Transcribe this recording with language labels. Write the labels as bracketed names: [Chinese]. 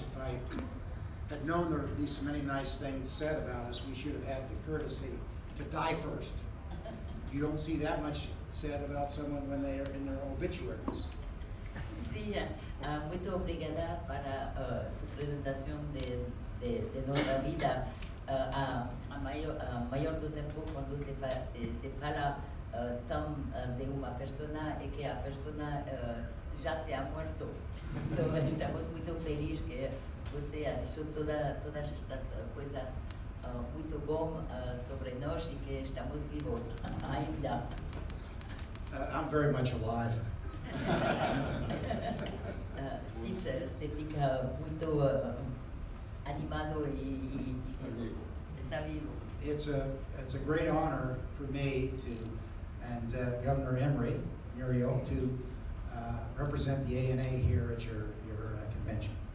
[English] If I had known there would be so many nice things said about us, we should have had the courtesy to die first. You don't see that much said about someone when they are in their obituaries. [Portuguese] Sim, muito obrigada para sua apresentação de nossa vida. A maior do tempo quando se fala tão de uma persona e que a persona já [Spanish] se ha muerto. [Portuguese] So, estamos muito felizes que você disse todas estas coisas muito bom sobre nós e que estamos vivos ainda. [English] I'm very much alive. [Portuguese] Steve se fica muito animado e está vivo. [English] It's a great honor for me to and Governor Eymery, Muriel, to represent the ANA here at your convention.